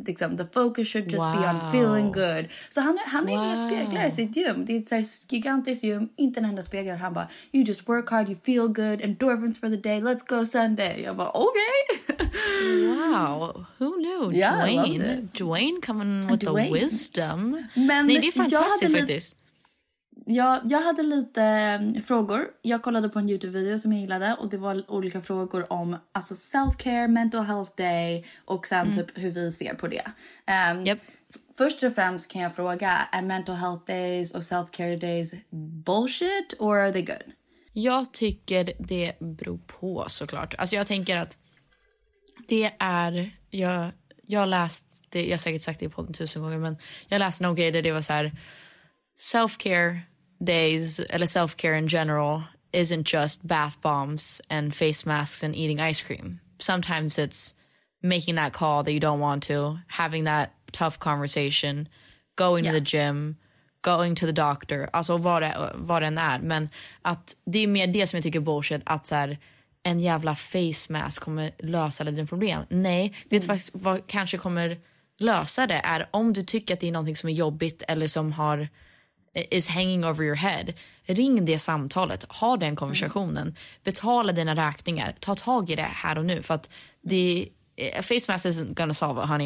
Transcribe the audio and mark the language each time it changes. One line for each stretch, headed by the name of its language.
English: Liksom, the focus should just be on feeling good.
Swedish: Så han har inga speglar i sitt gym, det är ett såhär gigantiskt gym, inte en enda speglar. Han bara,
English: you just work hard, you feel good, endorphins for the day, let's go Sunday.
Swedish: Jag bara, okay.
English: Wow, who knew? Yeah, Dwayne. Dwayne coming with Dwayne. The wisdom.
Swedish: Men nej, det är fantastiskt faktiskt. Jag hade lite frågor. Jag kollade på en YouTube-video som jag gillade. Och det var olika frågor om alltså self-care, mental health day. Och sen typ hur vi ser på det. Först och främst kan jag fråga, är mental health days och self-care days bullshit?
English: Or are they good?
Swedish: Jag tycker det beror på såklart. Alltså jag tänker att det är, jag läst det, jag har säkert sagt det på 1000 gånger, men jag läste någon grej där det var så här, self-care days eller
English: self-care in general isn't just bath bombs and face masks and eating ice cream. Sometimes it's making that call that you don't want to, having that tough conversation, going to the gym, going to the doctor,
Swedish: alltså vad än är. Men att det är mer det som jag tycker är bullshit, att så här, en jävla face mask kommer lösa alla dina problem. Nej, vet du faktiskt vad kanske kommer lösa det är om du tycker att det är någonting som är jobbigt eller som har
English: is hanging over your head.
Swedish: Ring det samtalet, ha den konversationen, betala dina räkningar, ta tag i det här och nu, för att det
English: face mask isn't gonna solve it, honey.